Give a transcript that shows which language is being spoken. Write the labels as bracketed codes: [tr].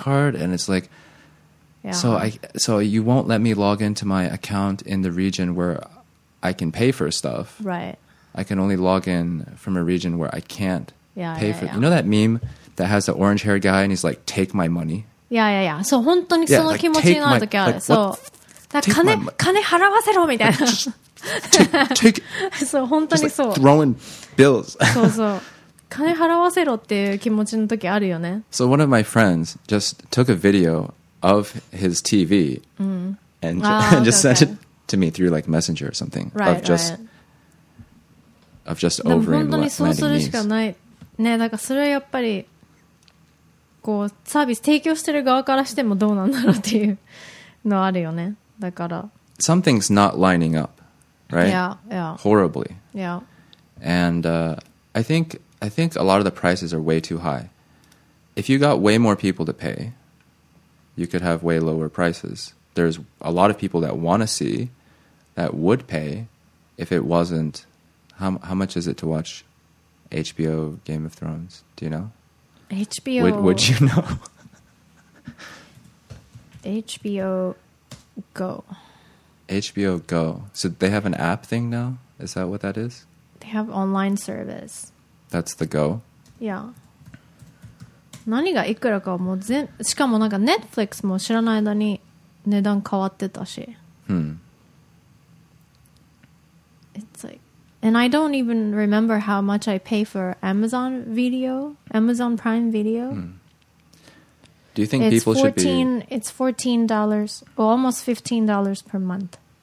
[en] card. And it's like, yeah. so you won't let me log into my account in the region where I can pay for stuff. Right. I can only log in from a region where I can't yeah, pay yeah, for. Yeah. You know that meme that has the orange haired guy and he's like, take my money. Yeah, yeah, yeah. So, [ja] 本当にその気持ちになるときある。そう。だから金払わせろみたいな。 [en] Like, just take [ja] そう、本当にそう。 [en] Just like throwing bills. [ja] そうそう。金払わせろっていう気持ちの時あるよね。 [en] So one of my friends just took a video of his TV、うん、 and, and just sent it to me through like messenger or something right, of just、 right. of just overing the Vietnamese. [ja] 本当にそうするしかないね。だからそれはやっぱりこうサービス提供してる側からしてもどうなんだろうっていうのあるよね。だから [en] something's not lining up right? Yeah, yeah. Horribly. Yeah. And、I think a lot of the prices are way too high. If you got way more people to pay, you could have way lower prices. There's a lot of people that want to see that would pay if it wasn't... How much is it to watch HBO Game of Thrones? Do you know? HBO... Would you know? HBO Go. HBO Go. So they have an app thing now? Is that what that is? They have online service. That's the go? Yeah. [ja] 何がいくらかもう全、しかもなんか Netflix も知らない間に値段変わってたし。 Hmm. [en] It's like, and I don't even remember how much I pay for Amazon Video, Amazon Prime Video. Hmm. Do you think people should be... It's $14, well, almost $15 per month.